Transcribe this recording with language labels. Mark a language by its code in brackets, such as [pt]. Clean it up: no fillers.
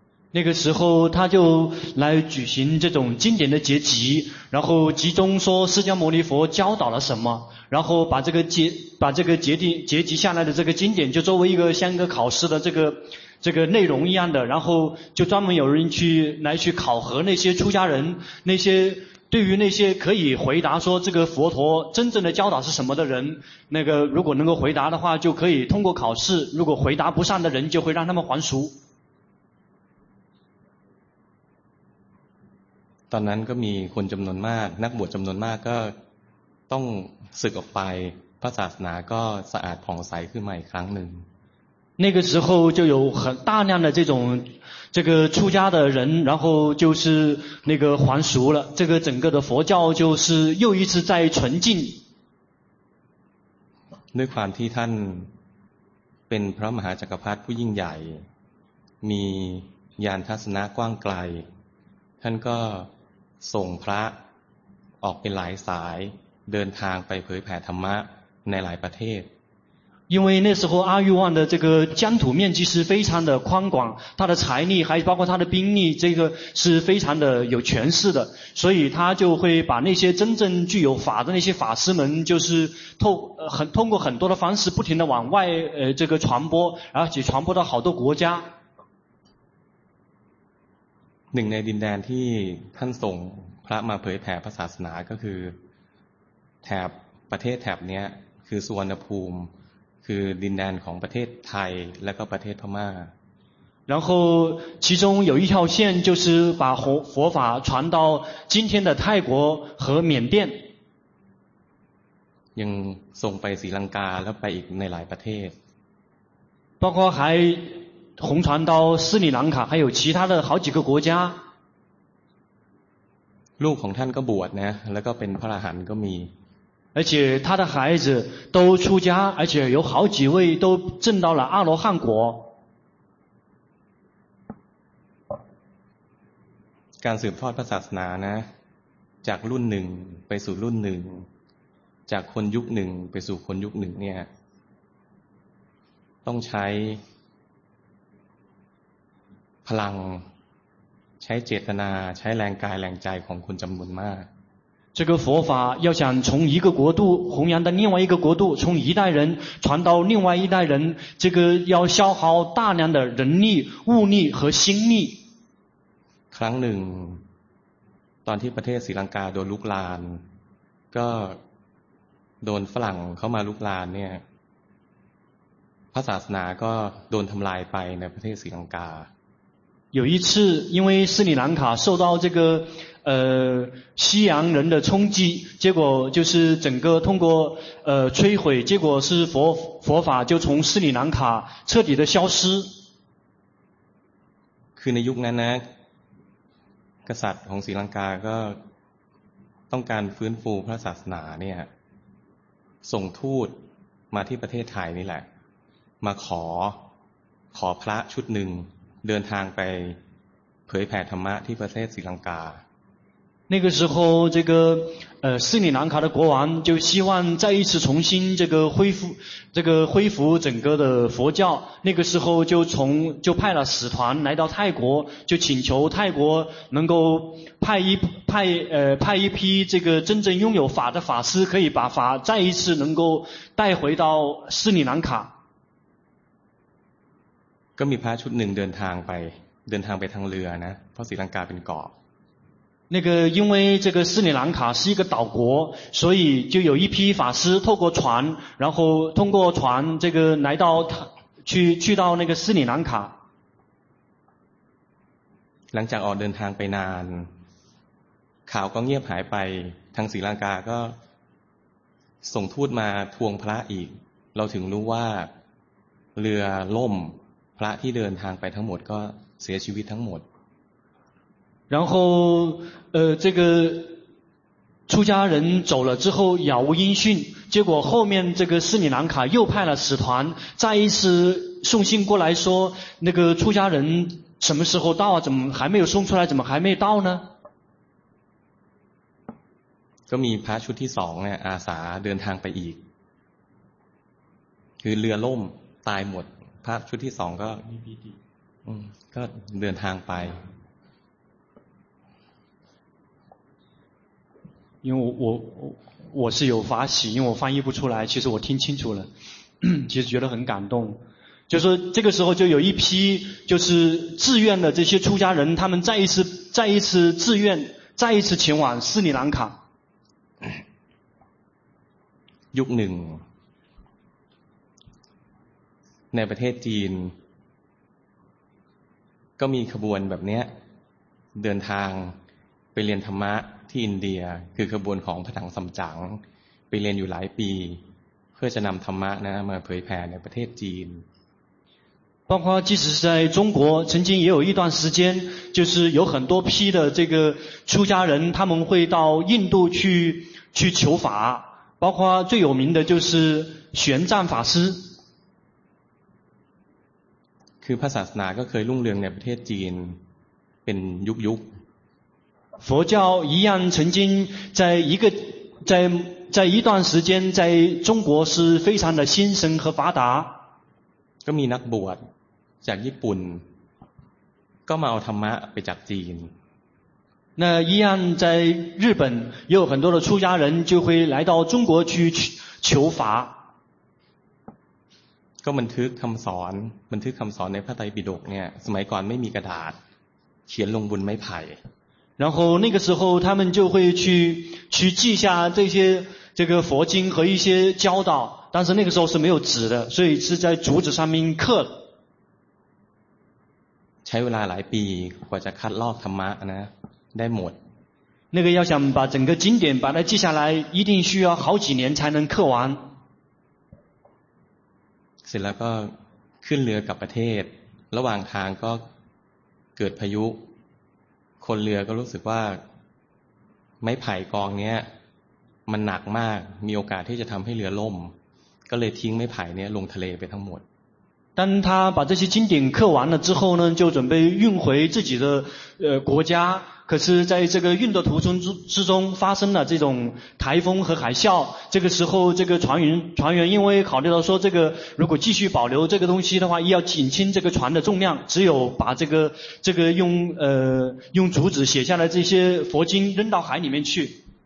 [zh] 那个时候他就来举行这种经典的结集然后集中说释迦牟尼佛教导了什么然后把这个结集下来的这个经典就作为一个像一个考试的这个内容一样的然后就专门有人去考核那些出家人那些对于那些可以回答说这个佛陀真正的教导是什么的人那个如果能够回答的话就可以通过考试如果回答不上的人就会让他们还俗 [th] ตอนนั้นก็มีคนจำนวนมากนักบวชจำนวนมากก็ต้องสึกออกไปพระศาสนาก็สะอาดผ่องใสขึ้นมาอีกครั้งหนึ่ง [zh] 那个时候就有很大量的这个出家的人然后就是那个还俗了这个整个的佛教就是又一次在纯净 [th] ด้วยความที่ท่านเป็นพระมหาจักรพรรดิผู้ยิ่งใหญ่มีญาณทัศนะกว้างไกลท่านก็ส่งพระออกไปหลายสายเดินทางไปเผยแผ่ธรรมะในหลายประเทศ [zh] 因为那时候阿育王的这个疆土面积是非常的宽广他的财力还包括他的兵力这个是非常的有权势的所以他就会把那些真正具有法的那些法师们就是通过很多的方式不停的往外这个传播而且传播到好多国家 [th] หนึ่งในดินแดนที่ท่านส่งพระมาเผยแผ่พระศาสนาก็คือแถบประเทศแถบนี้คือสุวรรณภูมิคือดินแดนของประเทศไทยและก็ประเทศพม่า [zh] 然后其中有一条线就是把佛法传到今天的泰国和缅甸 [th] ยังส่งไปศรีลังกาแล้วไปอีกในหลายประเทศ [zh] 包括还红传到斯里兰卡还有其他的好几个国家 [th] ลูกของท่านก็บวชนะแล้วก็เป็นพระอรหันต์ก็มี [zh] 而且他的孩子都出家而且有好几位都证到了阿罗汉果 [th] การสืบทอดพระศาสนานะจากรุ่นหนึ่งไปสู่รุ่นหนึ่งจากคนยุคหนึ่งไปสู่คนยุคหนึ่งเนี่ยต้องใช้พลังใช ใช้เจตนาใช้แรงกายแรงใจของคนจำนวนมาก [zh] 这个佛法要想从一个国度弘扬到另外一个国度从一代人传到另外一代人这个要消耗大量的人力物力和心力 [th] ครั้งหนึ่งตอนที่ประเทศศรีลังกาโดนลุกลามก็โดนฝรั่งเข้ามาลุกลามเนี่ยพระศาสนาก็โดนทำลายไปในประเทศศรีลังกา [zh] 有一次因为斯里兰卡受到这个西洋人的冲击结果就是整个通过摧毁结果是佛法就从斯里兰卡彻底的消失 [th] คือในยุคนั้นนะกษัตริย์ของศรีลังกาก็ต้องการฟื้นฟูพระศาสนาเนี่ยส่งทูตมาที่ประเทศไทยนี่แหละมาขอพระชุดหนึ่งเดินทางไปเผยแผ่ธรรมะที่ประเทศศรีลังกา [zh] 那个时候这个斯里兰卡的国王就希望再一次重新这个恢复整个的佛教那个时候就派了使团来到泰国就请求泰国能够派一批这个真正拥有法的法师可以把法再一次能够带回到斯里兰卡 [th] ก็มีพระชุดหนึ่งเดินทางไปทางเรือนะเพราะศรีลังกาเป็นเกาะ [zh] 那个因为这个斯里兰卡是一个岛国所以就有一批法师透过船然后通过船这个来到去到那个斯里兰卡 [th] หลังจากออกเดินทางไปนานข่าวก็เงียบหายไปทางศรีลังกาก็ส่งทูตมาทวงพระอีกเราถึงรู้ว่าเรือล่มพระที่เดินทางไปทั้งหมดก็เสียชีวิตทั้งหมด [zh] 然后这个出家人走了之后杳无音讯结果后面这个斯里兰卡又派了使团再一次送信过来说那个出家人什么时候到啊怎么还没有送出来怎么还没到呢 [th] ก็มีพระชุดที่สองเนี่ยอาสาเดินทางไปอีกคือเรือล่มตายหมดพระชุดที่สองก็เดินทางไป [zh] 因为我是有法喜因为我翻译不出来其实我听清楚了其实觉得很感动就是这个时候就有一批就是自愿的这些出家人他们再一次自愿再一次前往斯里兰卡 [th] ยุคหนึ่งในประเทศจีนก็มีขบวนแบบนี้เดินทางไปเรียนธรรมะที่อินเดียคือขบวนของพระถังสัมจั๋งไปเรียนอยู่หลายปีเพื่อจะนำธรรมะนะมาเผยแผ่ในประเทศจีน [zh] 包括即使是在中国曾经也有一段时间就是有很多批的这个出家人他们会到印度去求法包括最有名的就是玄奘法师 [th] คือพระศาสนาก็เคยรุ่งเรืองในประเทศจีนเป็นยุคๆ [zh] 佛教一样曾经在一个在在一段时间在中国是非常的兴盛和发达 [th] ก็มีนักบวชจากญี่ปุ่นก็มาเอาธรรมะไปจากจีน [zh] 那一样在日本也有很多的出家人就会来到中国去求法 [th] ก็บันทึกคำสอนในพระไตรปิฎกเนี่ยสมัยก่อนไม่มีกระดาษเขียนลงบนไม้ไผ่ [zh] 然后那个时候他们就会去记下这些这个佛经和一些教导但是那个时候是没有纸的所以是在竹子上面刻 [th] ใช้เวลาหลายปีกว่าจะคัดลอกธรรมะนะได้หมด [zh] 那个要想把整个经典把它记下来一定需要好几年才能刻完 [th] เสร็จแล้วก็ขึ้นเรือกลับประเทศระหว่างทางก็เกิดพายุคนเรือก็รู้สึกว่าไม้ไผ่กองนี้มันหนักมากมีโอกาสที่จะทำให้เรือล่มก็เลยทิ้งไม้ไผ่นี้ลงทะเลไปทั้งหมด [zh] 当他把这些经典刻完了之后呢，就准备运回自己的国家。可是在这个运的途中之中发生了这种台风和海啸，这个时候这个船员因为考虑到说这个如果继续保留这个东西的话，要减轻这个船的重量，只有把这个用竹子写下来这些佛经扔到海里面去。